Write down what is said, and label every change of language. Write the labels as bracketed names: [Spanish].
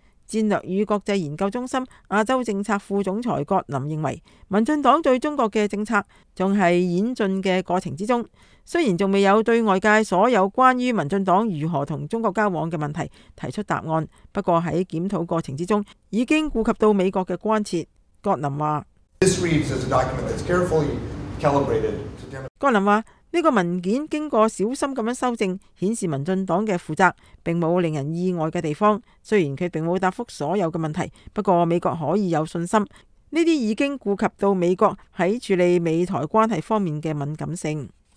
[Cantonese] 战略与国际研究中心亚洲政策副总裁葛林认为，民进党对中国的政策仲是演进的过程之中，虽然仲未有对外界所有关于民进党如何同中国交往的问题提出答案，不过在检讨过程之中已经顾及到美国的关切。葛林话 [English] ：“This reads as a document that's carefully calibrated。” [Cantonese] 葛林话：“这个文件经过小心咁样修正，显示民进党的负责，并冇令人意外的地方。虽然佢并冇答复所有的问题，不过美国可以有信心，呢啲已经顾及到美国在处理美台关系方面的敏感性。